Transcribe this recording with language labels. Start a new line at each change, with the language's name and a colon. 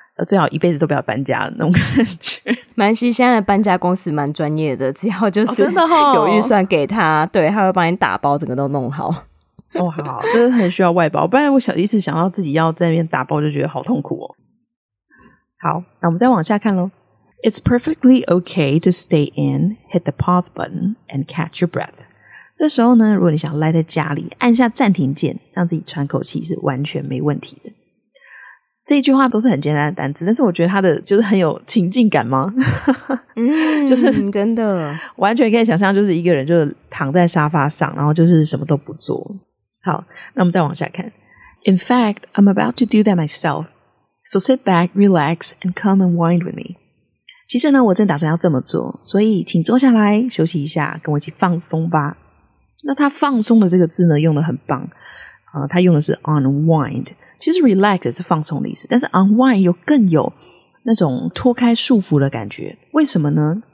Chinese: 最好一辈子都不要搬家那种感觉。蛮西现在的搬家公司蛮专业的，只要就是，哦，真的，哦，有预算给他，对，他会帮你打包整个都弄好。哦，好，真的很需要外包，不然我想一直想到自己要在那边打包就觉得好痛苦哦。好，那我们再往下看咯。
English: It's perfectly okay to stay in, hit the pause button and catch your breath。
Chinese: 这时候呢，如果你想赖在家里按下暂停键让自己喘口气是完全没问题的。这一句话都是很简单的单词，但是我觉得它的就是很有情境感吗？嗯，就是真的完全可以想象，就是一个人就是躺在沙发上，然后就是什么都不做。好，那我们再往下看。
English: In fact, I'm about to do that myself. So sit back, relax, and come and wind with me.
Chinese: 其实呢，我正打算要这么做，所以请坐下来休息一下，跟我一起放松吧。那他放松的这个字呢，用得很棒。他用的是 unwind， 其实 relax 是放松的意思，但是 unwind 又更有那种脱开束缚的感觉。为什么呢？